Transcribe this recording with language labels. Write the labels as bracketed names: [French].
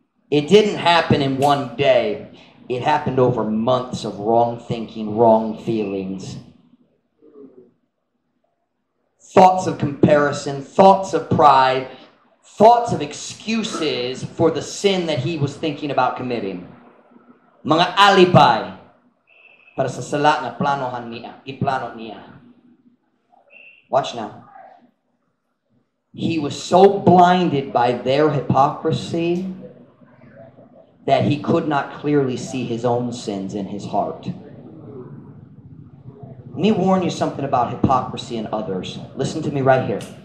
[English] It didn't happen in one day. It happened over months of wrong thinking, wrong feelings. Thoughts of comparison, thoughts of pride, thoughts of excuses for the sin that he was thinking about committing. [Cebuano] Mga alibi para sa salat na planohan niya, iplano niya. [English] Watch now. He was so blinded by their hypocrisy that he could not clearly see his own sins in his heart. Let me warn you something about hypocrisy in others. Listen to me right here.